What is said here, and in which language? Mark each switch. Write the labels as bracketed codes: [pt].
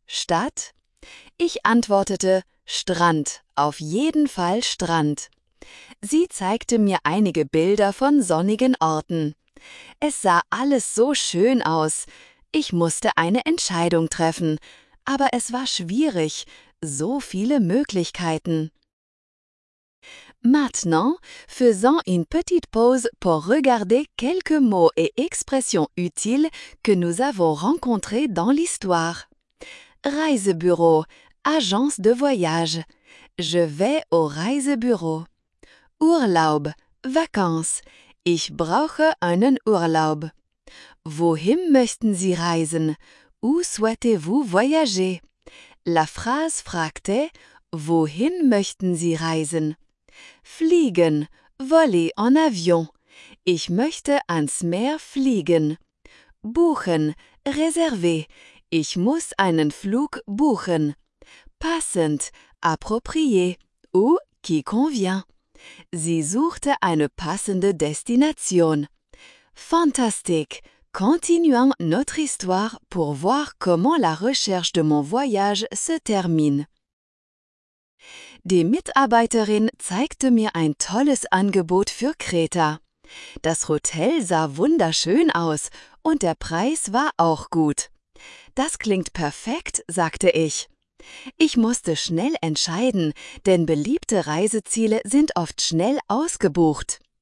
[de] Stadt?« Ich antwortete, »Strand, auf jeden Fall Strand.« Sie zeigte mir einige Bilder von sonnigen Orten. Es sah alles so schön aus. Ich musste eine Entscheidung treffen. Aber es war schwierig, so viele Möglichkeiten. [fr] Maintenant, faisons une petite pause pour regarder quelques mots et expressions utiles que nous avons rencontrés dans l'histoire. Reisebüro, agence de voyage. Je vais au Reisebüro. Urlaub, vacances. [de] Ich brauche einen Urlaub. Wohin möchten Sie reisen? [fr] Où souhaitez-vous voyager? La phrase [de] fragte, wohin möchten Sie reisen? Fliegen, [fr] voler en avion. [de] Ich möchte ans Meer fliegen. Buchen, réserver. Ich muss einen Flug buchen. [fr] Passend, approprié, ou qui convient. [de] Sie suchte eine passende Destination. [fr] Fantastique. Continuons notre histoire pour voir comment la recherche de mon voyage se termine. [de] Die Mitarbeiterin zeigte mir ein tolles Angebot für Kreta. Das Hotel sah wunderschön aus und der Preis war auch gut. Das klingt perfekt, sagte ich. Ich musste schnell entscheiden, denn beliebte Reiseziele sind oft schnell ausgebucht.